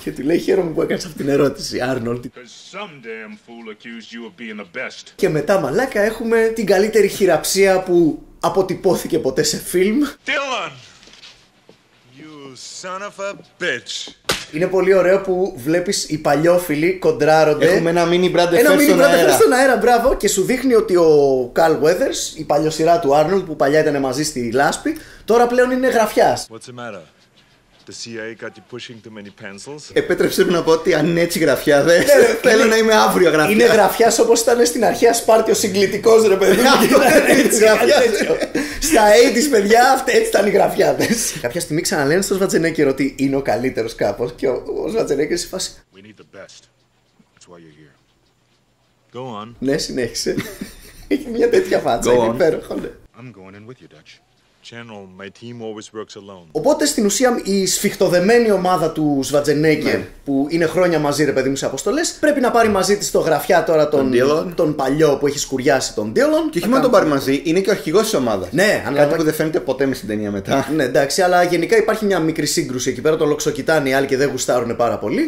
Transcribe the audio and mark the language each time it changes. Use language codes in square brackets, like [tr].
[el] Και του λέει, χαίρομαι που έκανες αυτήν την ερώτηση, Άρνολντ. [en] Because some damn fool accused you of being the best. [el] Και μετά, μαλάκα, έχουμε την καλύτερη χειραψία που αποτυπώθηκε ποτέ σε φιλμ. Dylan! [en] You son of a bitch! [el] Είναι πολύ ωραίο που βλέπεις οι παλιόφιλοι κοντράρονται. Έχουμε ένα mini brand effect. Ένα mini brand [en] effect [el] στον αέρα, μπράβο. Και σου δείχνει ότι ο Carl Weathers, η παλιοσυρά του Arnold που παλιά ήταν μαζί στη λάσπη, τώρα πλέον είναι γραφιάς. [en] What's the matter? The CIA got you pushing too many pencils. [el] Επέτρεψε μου να πω ότι αν είναι έτσι γραφιά, δε. Θέλω να είμαι αύριο γραφιά. Είναι γραφιάς όπως ήταν στην αρχαία Σπάρτη ο συγκλητικός, ρε παιδί. Έτσι γραφιά. Στα 80's, παιδιά, αυτά έτσι ήταν οι γραφιάδες. Κάποια στιγμή ξαναλένε στον Σβατζενέκερ ότι είναι ο καλύτερος κάπως. Και ο Σβατζενέκερ σε φάση. [en] We need the best. That's why you're here. Go on. [el] Ναι, συνέχισε. Έχει μια τέτοια φάτσα. Είναι υπέροχο, ναι. [en] I'm going in with you, Dutch. General, my team always works alone. [el] Οπότε στην ουσία η σφιχτοδεμένη ομάδα του Σβατζενέγκε, yeah, που είναι χρόνια μαζί ρε παιδί μου σε αποστολές, πρέπει να πάρει μαζί της το γραφιά τώρα τον παλιό που έχει σκουριάσει τον Ντίλον. Και όχι μόνο τον πάρει μαζί, είναι και ο αρχηγός της ομάδας. Ναι, κάτι που δεν φαίνεται ποτέ με στην ταινία μετά. Ναι, εντάξει, αλλά γενικά υπάρχει μια μικρή σύγκρουση εκεί πέρα. Τον λοξοκοιτάνε οι άλλοι και δεν γουστάρουν πάρα πολύ.